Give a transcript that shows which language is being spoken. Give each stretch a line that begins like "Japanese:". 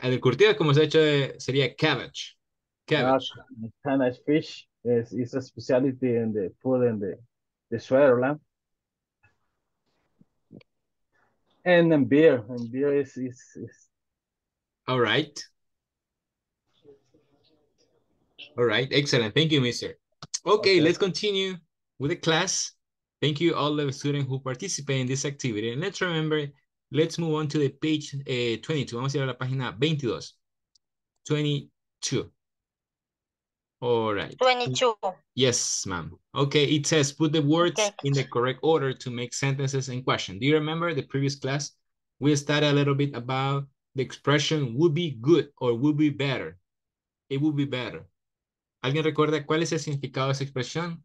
Spanish: El curtido, como se ha hecho, sería cabbage.
English: Cabbage. Spanish fish is a specialty in the food in the Switzerland. And then beer. And beer is. All right. All right. Excellent. Thank you, mister. Okay, let's continue with the class. Thank you all the students who participate in this activity. And let's remember, let's move on to the page 22.
Spanish: Vamos a ir a la página 22. 22.
English: All right.
Spanish: 22.
English: Yes, ma'am. Okay, it says put the words in the correct order to make sentences and questions. Do you remember the previous class? We studied a little bit about the expression would be good or would be better. It would be better.
Spanish: ¿Alguien recuerda cuál es el significado de esa expresión?